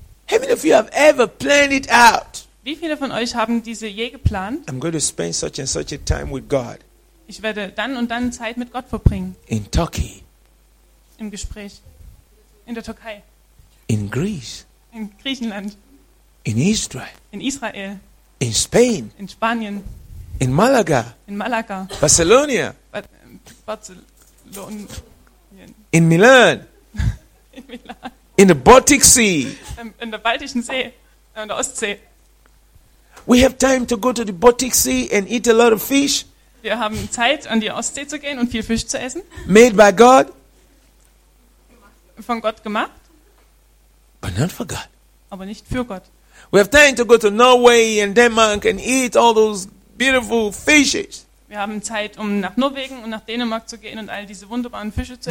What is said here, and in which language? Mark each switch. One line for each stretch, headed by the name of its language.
English: How many of you have ever planned it out?
German: Wie viele von euch haben diese je geplant?
English: I'm going to spend such and such a time with God.
German: Ich werde dann und dann Zeit mit Gott verbringen.
English: In Turkey.
German: Im Gespräch. In der Türkei.
English: In Greece.
German: In Griechenland.
English: In Israel.
German: In Israel.
English: In Spain.
German: In Spanien.
English: In Malaga.
German: In Malaga.
English: Barcelona.
German: Barcelona.
English: In Milan.
German: In Milan.
English: In the Baltic Sea.
German: In der Baltischen See. In der Ostsee.
English: We have time to go to the Baltic Sea and eat a lot of fish.
German: Wir haben Zeit, an die Ostsee zu gehen und viel Fisch zu essen.
English: Made by God.
German: Von Gott gemacht.
English: But not for God.
German: Aber nicht für Gott.
English: We have time to go to Norway and Denmark and eat all those beautiful fishes.
German: Wir haben Zeit, um nach Norwegen und nach Dänemark zu gehen und all diese wunderbaren Fische zu